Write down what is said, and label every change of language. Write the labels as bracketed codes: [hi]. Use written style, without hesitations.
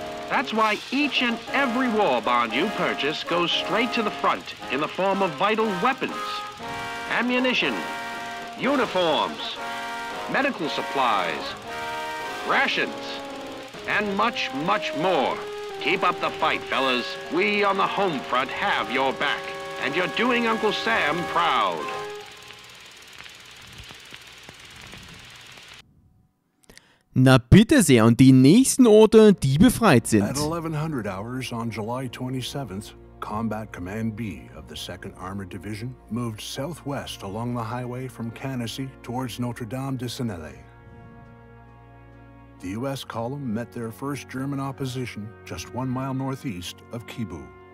[en] That's why each and every war bond you purchase goes straight to the front in the form of vital weapons, ammunition, uniforms, medical supplies, rations, and much, much more. Keep up the fight, fellas. We on the home front have your back. And you're doing Uncle Sam proud. [de] Na bitte sehr, und die nächsten Orte, die befreit sind. [en] At 1100 hours on July 27th, Combat Command B of the 2nd Armored Division moved southwest along the highway from Canisy towards Notre Dame de Sénélé. The U.S. column met their first German opposition just 1 mile northeast of Kibou.